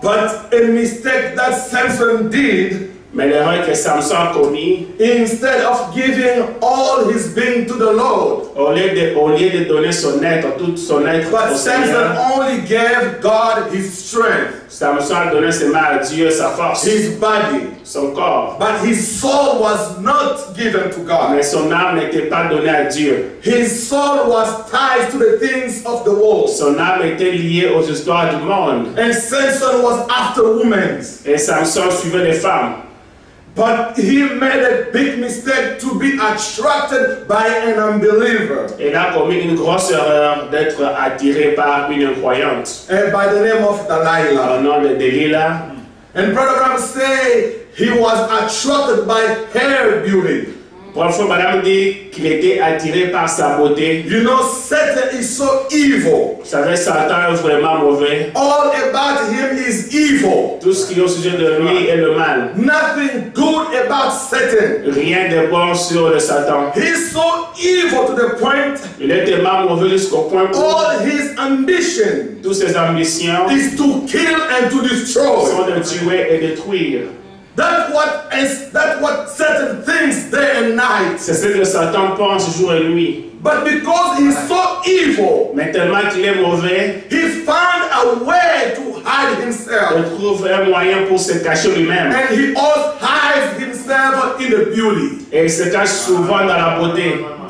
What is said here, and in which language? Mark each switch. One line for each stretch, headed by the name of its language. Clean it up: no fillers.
English: But a mistake that Samson did.
French: Mais l'erreur que Samson commis,
English: instead of giving all his being to the Lord,
French: au lieu de donner son être, toute son être,
English: but Samson only gave God his strength.
French: Samson donnait seulement à Dieu sa force,
English: his body,
French: son corps,
English: but his soul was not given to God.
French: Mais son âme n'était pas donnée à Dieu.
English: His soul was tied to the things of the world.
French: Son âme était liée aux histoires du monde.
English: And Samson was after women.
French: Et Samson suivait les femmes.
English: But he made a big mistake to be attracted by an unbeliever.
French: Il a commis une grosse erreur d'être attiré par une incroyante.
English: And by the name of Dalila.
French: Au nom de Delilah.
English: And Brother Ram say he was attracted by her beauty.
French: Parfois, madame dit qu'il était attiré par sa beauté.
English: You know, Satan is so evil.
French: Vous savez, Satan est vraiment mauvais.
English: All about him is evil.
French: Tout ce qui est au sujet de lui est le mal.
English: Nothing good about Satan.
French: Rien de bon sur le Satan.
English: He's so evil to the point.
French: Il est tellement mauvais jusqu'au point.
English: All his ambition.
French: Toutes ses ambitions.
English: Is to kill and to destroy.
French: Sont de tuer et détruire.
English: That's what Satan thinks day and night.
French: C'est ce que Satan pense jour et nuit.
English: But because he's so evil,
French: mais tellement qu'il est mauvais,
English: he found a way to hide himself.
French: Il trouve un moyen pour se cacher lui-même.
English: And he always hides himself in the beauty.
French: Et il se cache souvent dans la beauté.